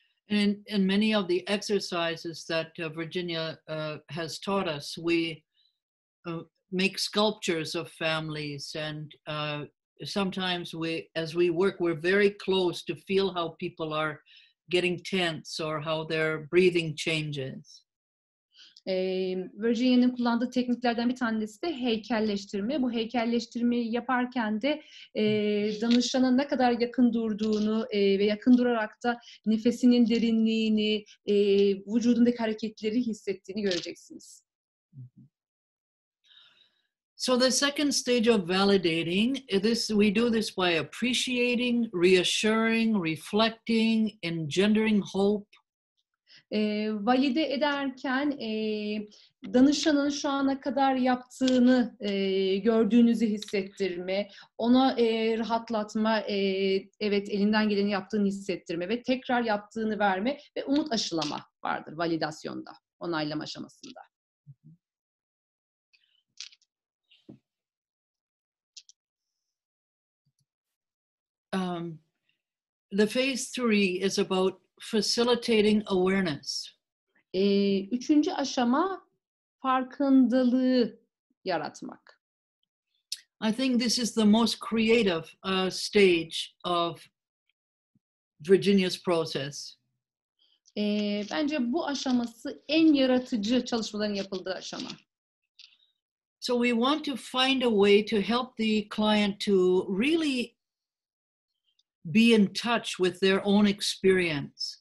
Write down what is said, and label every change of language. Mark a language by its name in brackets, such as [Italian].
[English] And many of the exercises that Virginia has taught us, we make sculptures of families, and sometimes we're very close to feel how people are getting tense or how their breathing changes. [Turkish] Virginia'nın kullandığı tekniklerden bir tanesi de heykelleştirme. Bu heykelleştirmeyi yaparken de danışana ne kadar yakın durduğunu ve yakın durarak da nefesinin derinliğini, vücudundaki hareketleri hissettiğini göreceksiniz. [English] So the second stage of validating, we do this by appreciating, reassuring, reflecting, engendering hope. [Turkish] Valide ederken danışanın şu ana kadar yaptığını gördüğünüzü hissettirme, ona rahatlatma, evet elinden geleni yaptığını hissettirme ve tekrar yaptığını verme ve umut aşılama vardır validasyonda, onaylama aşamasında. [English] The phase three is about facilitating awareness. [Turkish] Üçüncü aşama farkındalığı yaratmak. [English] I think this is the most creative stage of Virginia's process. [Turkish] Bence bu aşaması en yaratıcı çalışmaların yapıldığı aşama. [English] So we want to find a way to help the client to really be in touch with their own experience.